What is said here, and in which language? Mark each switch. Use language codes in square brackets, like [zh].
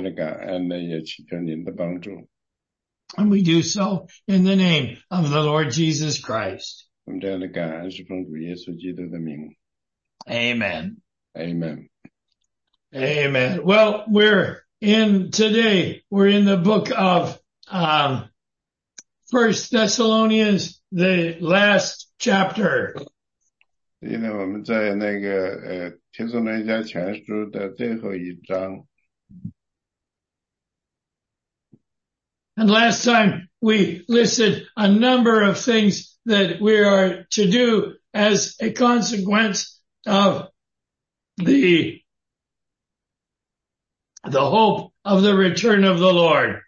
[zh] 所以呢，我们也为您的美善的向着感恩呢，也祈求您的帮助。 [en] And we do so in the name of the Lord Jesus Christ. [zh] 我们这样的感恩是奉主耶稣基督的名。 [en] Amen. Amen. Amen. Well, we're in the book of 1 Thessalonians, the last chapter. [zh] 现在我们在那个《帖撒罗尼迦前书》的最后一章。 [en] And last time we listed a number of things that we are to do as a consequence of the hope of the return of the Lord.